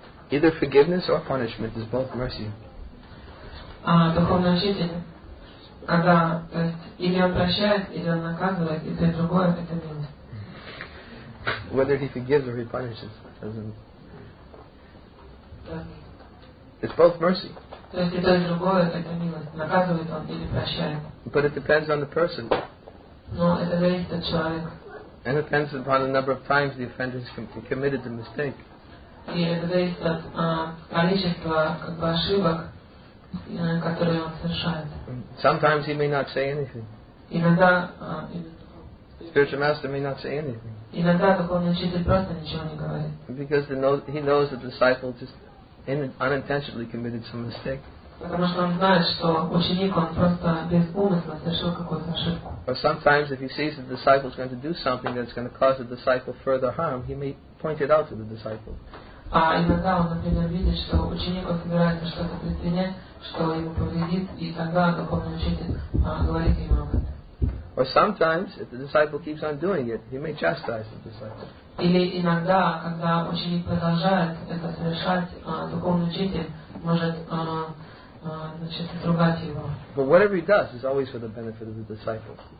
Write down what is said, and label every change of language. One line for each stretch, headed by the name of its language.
English: Either forgiveness or punishment is both mercy.
Russian: Духовный учитель, когда, то есть, или он прощает, или он наказывает, и то и другое, это милость.
English: Whether he forgives or he punishes, doesn't. It's both mercy.
Russian: То есть, и то и другое, это милость. Наказывает он или прощает.
English: But it depends on the person. No, it depends on the child. And it depends upon the number of times the offender has committed the mistake. It depends on the
Russian: количество как бы ошибок, которые он совершает.
English: Sometimes he may not say anything.
Russian: Иногда
English: spiritual master may not say anything.
Russian: Иногда духовный учитель просто ничего не говорит.
English: Because he knows the disciple just unintentionally committed some mistake.
Russian: Потому что он знает, что ученик, он просто без умысла совершил какую-то ошибку.
English: Or sometimes if he sees the disciple is going to do something that's going to cause the disciple further harm, he may point it out to the disciple.
Russian: А иногда он, например, видит, что ученик собирается что-то предпринять, что ему повредит, и тогда духовный учитель говорит ему об этом.
English: Or sometimes if the disciple keeps on doing it, he may chastise the disciple.
Russian: Или иногда, когда ученик продолжает это совершать, духовный учитель может
English: But whatever he does is always for the benefit of the disciple.